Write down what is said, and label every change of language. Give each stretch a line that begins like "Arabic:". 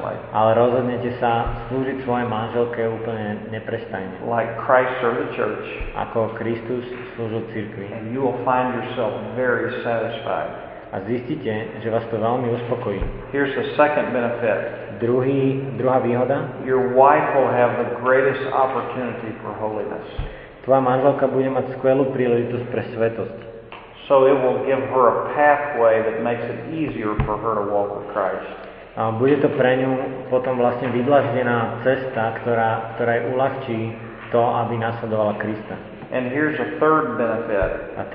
Slovak: Ale rozhodnete sa slúžiť svojej manželke úplne neprestajne.
English: Like Christ served the church.
Slovak: Ako Kristus slúžil cirkvi.
English: And you will find yourself very satisfied.
Slovak: A zistíte, že vás to veľmi uspokojí.
English: Here's the second benefit.
Slovak: Druhá výhoda.
English: Your wife will have the greatest opportunity for holiness.
Slovak: Tvoja manželka bude mať skvelú príležitosť pre svetosť.
English: So it will give her a pathway that makes it easier for her to walk with Christ.
Slovak: A bude to pre ňu potom vlastne vydlaždená cesta, ktorá jej uľahčí to, aby nasledovala Krista.
English: And here's a third benefit.